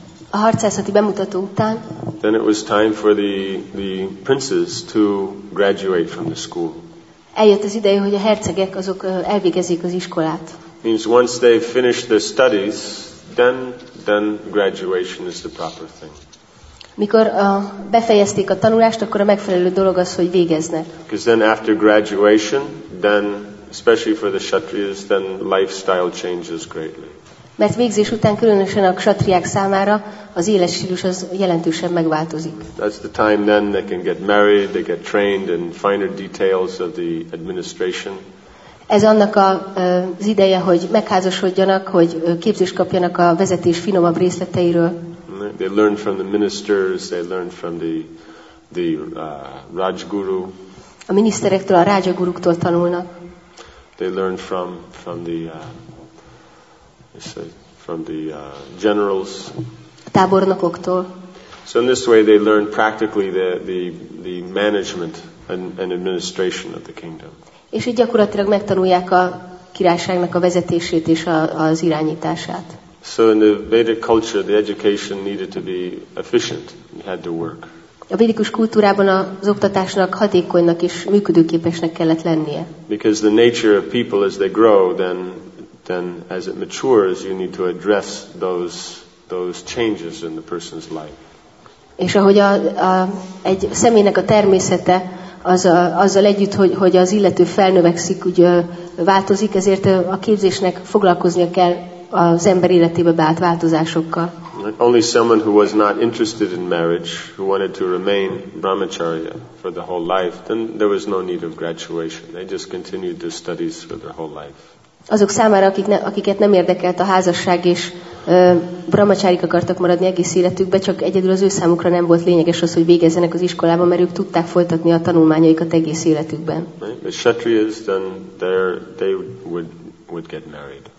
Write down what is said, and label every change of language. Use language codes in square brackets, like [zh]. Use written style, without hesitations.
[hu] a harcászati bemutató után, [en] then it was time for the princes to graduate from the school. [hu] Eljött az ideje, hogy a hercegek azok elvégezik az iskolát. [en] Means once they finish their studies, then graduation is the proper thing. [hu] Mikor befejezték a tanulást, akkor a megfelelő dolog az, hogy végeznek. [en] Because then after graduation, then especially for the kshatriyas, then lifestyle changes greatly. [hu] Mert végzés után különösen a kshatriyák számára az életstílus az jelentősen megváltozik. [en] That's the time then they can get married, they get trained in finer details of the administration. [hu] Ez annak az ideje, hogy megházasodjanak, hogy képzést kapjanak a vezetés finomabb részleteiről. [en] They learn from the ministers, they learn from the Rajguru. [hu] A miniszterektől, a Rajaguruktól tanulnak. [en] They learn from the generals. [hu] A tábornokoktól. [en] So in this way they learn practically the management and administration of the kingdom. [hu] És így gyakorlatilag megtanulják a királyságnak a vezetését és az irányítását. [en] So in the Vedic culture, the education needed to be efficient. It had to work. [hu] A védikus kultúrában az oktatásnak hatékonynak és működőképesnek kellett lennie. [en] Because the nature of people as they grow, then as it matures, you need to address those changes in the person's life. [hu] És ahogy egy személynek a természete azzal együtt, hogy az illető felnövekszik, úgy változik, ezért a képzésnek foglalkoznia kell az ember életébe beállt változásokkal. [en] Only someone who was not interested in marriage, who wanted to remain brahmacharya for the whole life, then there was no need of graduation. They just continued their studies for their whole life. [hu] Azok számára, akiket nem érdekelt a házasság, és brahmacharik akartak maradni egész életükbe, csak egyedül az ő számukra nem volt lényeges az, hogy végezzenek az iskolába, mert ők tudták folytatni a tanulmányaikat egész életükben. [en] The kshatriyas, then they would get married.